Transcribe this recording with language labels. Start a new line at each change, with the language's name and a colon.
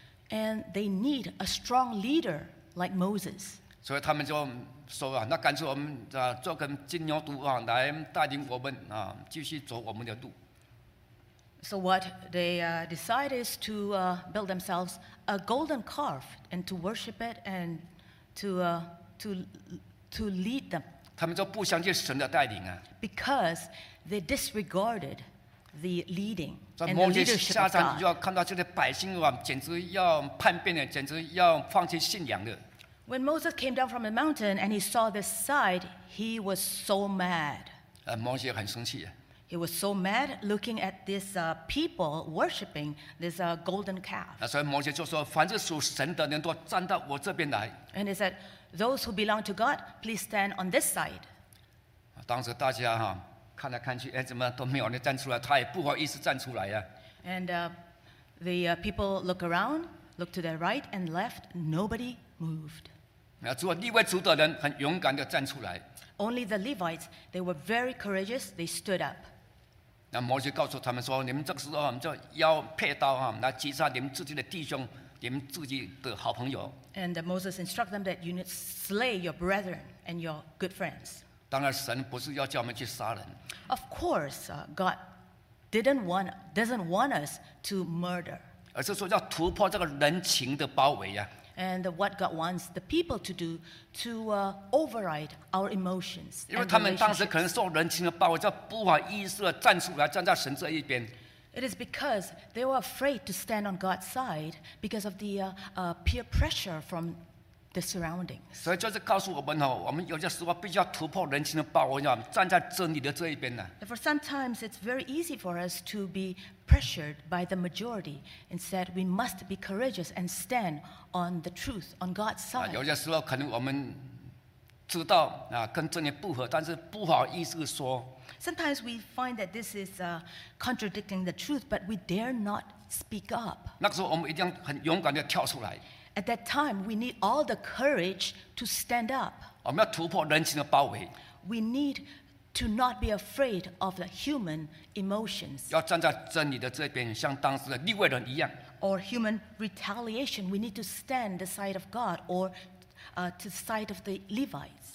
English: and they need a strong leader like Moses.
Chinese: 所以他们就说啊, 那干脆我们啊, 做跟金牛犊啊, 来带领我们啊, 继续走我们的路。
English: So what they decide is to build themselves a golden calf and to worship it and to lead them.
Chinese: 他们就不相信神的带领啊,
English: because they disregarded the leading and the leadership of God. When Moses came down from the mountain and he saw this side, he was so mad. He was so mad looking at this people worshipping this golden calf. And he said, those who belong to God, please stand on this side.
Chinese: 当时大家, 看来看去, 哎, 怎么都没有人站出来, 他也不好意思站出来啊。
English: And the people look around, look to their right and left, nobody moved.
Chinese: 只有立位族的人很勇敢地站出来。
English: Only the Levites, they were very courageous, they stood up.
Chinese: 那摩西告诉他们说：“你们这个时候就要佩刀啊，来击杀你们自己的弟兄，你们自己的好朋友。”
English: And Moses instructed them that you need slay your brethren and your good friends.
Chinese: 当然，神不是要叫我们去杀人。
English: Of course, God doesn't want us to murder.
Chinese: 而是说要突破这个人情的包围呀。
English: And what God wants the people to do to override our emotions.
Chinese: 因为他们当时可能受人情的包围，就不好意思的站出来站在神这一边。
English: It is because they were afraid to stand on God's side because of the peer pressure from the surroundings.
Chinese: 所以就是告诉我们哦，我们有些时候必须要突破人情的包围，站在真理的这一边呢。
English: For sometimes it's very easy for us to be pressured by the majority. Instead, we must be courageous and stand on the truth on God's side.
Chinese: 有些时候可能我们知道啊跟真理不合，但是不好意思说。
English: Sometimes we find that this is contradicting the truth, but we dare not speak up.
Chinese: 那时候我们一定要很勇敢地跳出来。
English: At that time, we need all the courage to stand up.
Chinese: 我们要突破人情的包围。
English: We need to not be afraid of the human emotions.
Chinese: 要站在真理的这边，像当时的利未人一样。
English: Or human retaliation, we need to stand the side of God, or to the side of the Levites.